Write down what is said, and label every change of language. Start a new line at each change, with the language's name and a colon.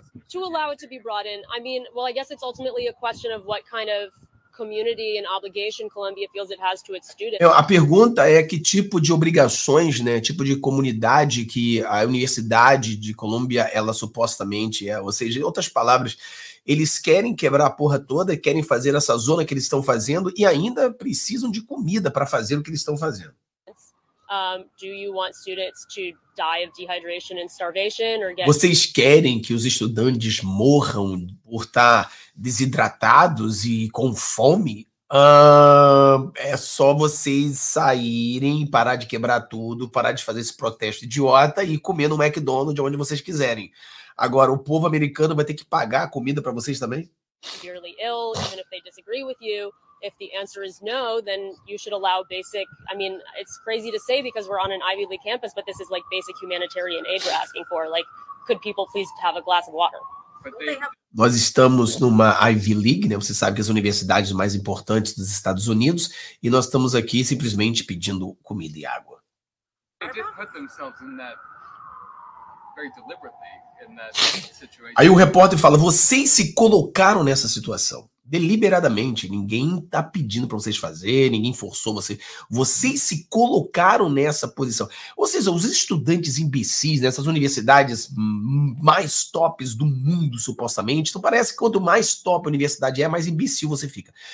English: To allow it to be brought in, I mean, well, I guess it's ultimately a question of what kind of community and obligation Columbia feels it has to its students.
Portuguese: A pergunta é que tipo de obrigações, né, tipo de comunidade que a Universidade de Columbia, ela supostamente é, ou seja, em outras palavras, eles querem quebrar a porra toda, querem fazer essa zona que eles estão fazendo e ainda precisam de comida para fazer o que eles estão fazendo.
English: Do you want students to die of dehydration and starvation or get...
Portuguese: Vocês querem que os estudantes morram por estar desidratados e com fome? É só vocês saírem, parar de quebrar tudo, parar de fazer esse protesto idiota e comer no McDonald's onde vocês quiserem. Agora, o povo americano vai ter que pagar a comida para vocês também?
English: Severely ill, even if they disagree with you. If the answer is no, then you should allow basic, I mean, it's crazy to say because we're on an Ivy League campus, but this is like basic humanitarian aid we're asking for. Like, could people please have a glass of water?
Portuguese: Nós estamos numa Ivy League, né? Você sabe que as universidades mais importantes dos Estados Unidos, e nós estamos aqui simplesmente pedindo comida e água.
English: They did put themselves in that very deliberately in that situation.
Portuguese: Aí o repórter fala, vocês se colocaram nessa situação. Deliberadamente, ninguém está pedindo para vocês fazerem, ninguém forçou vocês. Vocês se colocaram nessa posição. Ou seja, os estudantes imbecis nessas universidades mais tops do mundo, supostamente, então parece que quanto mais top a universidade é, mais imbecil você fica.